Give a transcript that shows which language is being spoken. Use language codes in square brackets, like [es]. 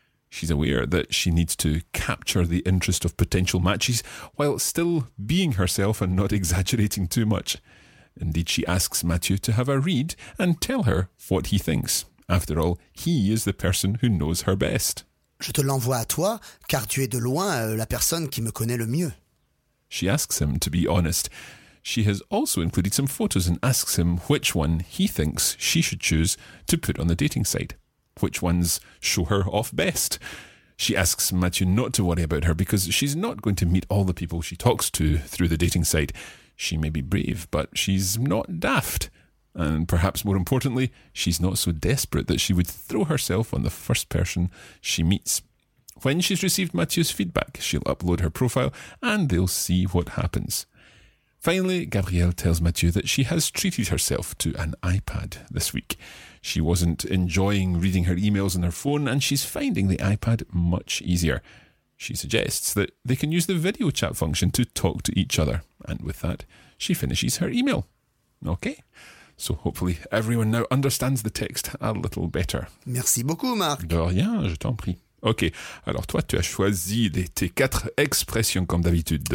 [en] She's aware that she needs to capture the interest of potential matches while still being herself and not exaggerating too much. Indeed, she asks Mathieu to have a read and tell her what he thinks. After all, he is the person who knows her best. [fr] Je te l'envoie à toi, car tu es de loin la personne qui me connaît le mieux. [en] She asks him to be honest. She has also included some photos and asks him which one he thinks she should choose to put on the dating site. Which ones show her off best? She asks Mathieu not to worry about her because she's not going to meet all the people she talks to through the dating site. She may be brave, but she's not daft. And perhaps more importantly, she's not so desperate that she would throw herself on the first person she meets. When she's received Mathieu's feedback, she'll upload her profile and they'll see what happens. Finally, Gabrielle tells Mathieu that she has treated herself to an iPad this week. She wasn't enjoying reading her emails on her phone and she's finding the iPad much easier. She suggests that they can use the video chat function to talk to each other. And with that, she finishes her email. Okay. So hopefully everyone now understands the text a little better. [fr] Merci beaucoup, Marc. De rien, je t'en prie. Ok, alors toi, tu as choisi tes quatre expressions comme d'habitude.